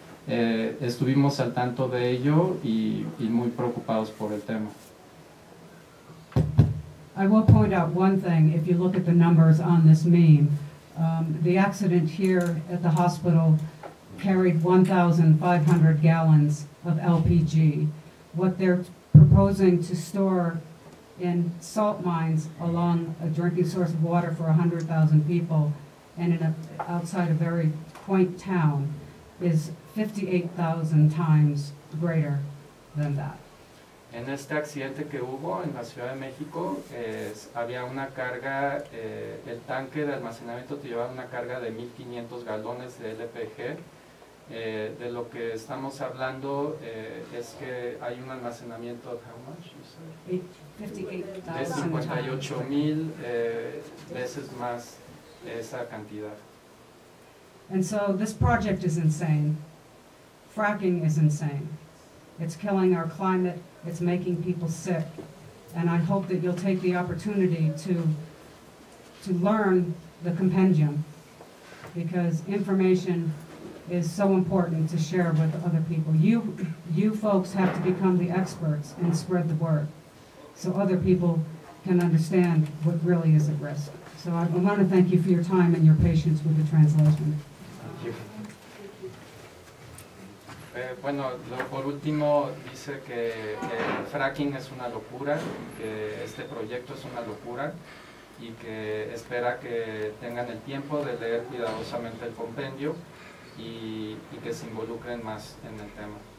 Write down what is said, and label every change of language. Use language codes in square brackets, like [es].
[es] estuvimos al tanto de ello y muy preocupados por el tema. [en] I will point out one thing. If you look at the numbers on this meme, the accident here at the hospital carried 1,500 gallons of LPG. What they're proposing to store in salt mines along a drinking source of water for 100,000 people and in a, outside a very quaint town is 58,000 times greater than that. [es] En este accidente que hubo en la Ciudad de México, había una carga, el tanque de almacenamiento te llevaba una carga de 1,500 galones de LPG. De lo que estamos hablando es que hay un almacenamiento de 58,000 veces más esa cantidad. [en] And so this project is insane. Fracking is insane. It's killing our climate. It's making people sick. And I hope that you'll take the opportunity to learn the compendium, because information is so important to share with other people. You folks have to become the experts and spread the word so other people can understand what really is at risk. So I want to thank you for your time and your patience with the translation. Thank you. [es] Bueno, lo, por último, dice que fracking es una locura, que este proyecto es una locura, y que espera que tengan el tiempo de leer cuidadosamente el compendio. Y que se involucren más en el tema.